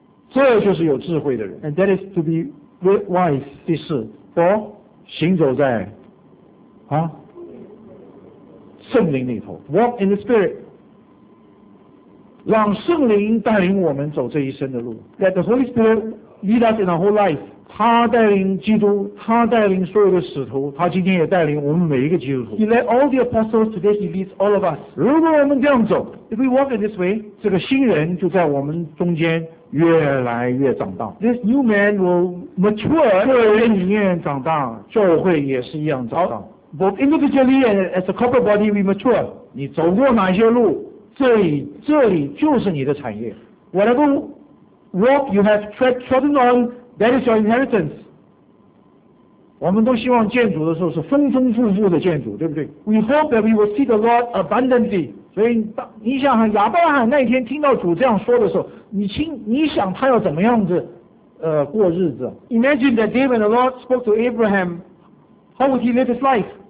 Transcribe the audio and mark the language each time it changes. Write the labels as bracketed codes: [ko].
[zh] 这就是有智慧的人。 [en] And that is to be wise. [zh] 第四 [en] ，four， [zh] 行走在圣灵里头。 [en] Walk in the Spirit. [zh] 让圣灵带领我们走这一生的路。 [en] Let the Holy Spirit lead us in our whole life. [zh] 他带领基督，他带领所有的使徒，他今天也带领我们每一个基督徒。 [en] He led all the apostles today. He leads all of us. [zh] 如果我们这样走 [en] ，if we walk in this way， [zh] 这个新人就在我们中间。越来越长大 [en] This new man will mature [zh] 个人里面长大教会也是一样长大 [en] Both individually and as a corporate body we mature [zh] 你走过哪些路这里就是你的产业 [en] Whatever walk you have trodden on that is your inheritance [zh] 我们都希望建筑的时候是丰丰富富的建筑对不对 [en] We hope that we will see the Lord abundantly [zh] 所以你想亚伯拉罕那一天听到主这样说的时候你想他要怎么样子过日子 [en] Imagine that day when the Lord spoke to Abraham How would he live his life?